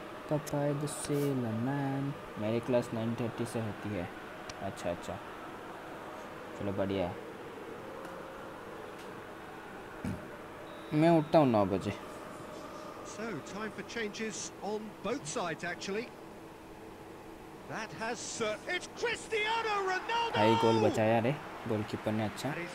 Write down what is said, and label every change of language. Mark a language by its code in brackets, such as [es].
[hi] पपाई the salesman, मेरी class 9:30 से होती है, अच्छा अच्छा चलो बढ़िया है, मैं उठता हूँ 9 बजे। [en] So time for changes on both sides actually. That has sir, it's Cristiano Ronaldo. [hi] आई गोल बचाया रे गोलकीपर ने, अच्छा।